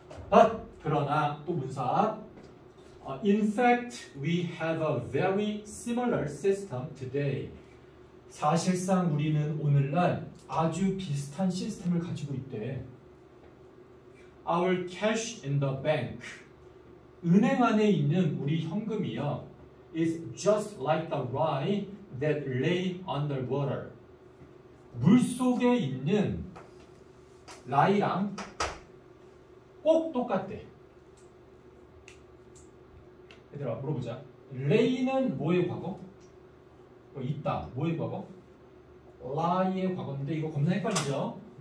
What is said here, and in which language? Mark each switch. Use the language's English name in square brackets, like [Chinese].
[English] But, [Korean] 그러나 또 문사. [English] In fact, we have a very similar system today. [Korean] 사실상 우리는 오늘날 아주 비슷한 시스템을 가지고 있대. [English] Our cash in the bank. [Korean] 은행 안에 있는 우리 현금이요. [English] Is just like the rye that lay underwater. [Korean] 물 속에 있는 라이랑 꼭 똑같대. 얘들아 물어보자. lay는 뭐의 과거? 있다. 뭐의 과거? lie의 과거인데 이거 겁나 헷갈리죠?